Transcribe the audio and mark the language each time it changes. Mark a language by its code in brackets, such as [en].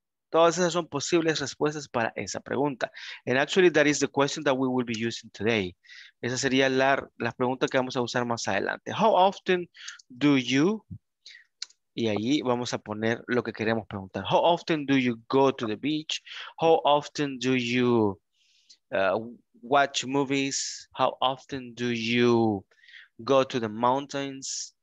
[es] Todas esas son posibles respuestas para esa pregunta. [en] And actually, that is the question that we will be using today. [es] Esa sería la pregunta que vamos a usar más adelante. [en] How often do you... [es] Y ahí vamos a poner lo que queremos preguntar. [en] How often do you go to the beach? How often do you watch movies? How often do you go to the mountains?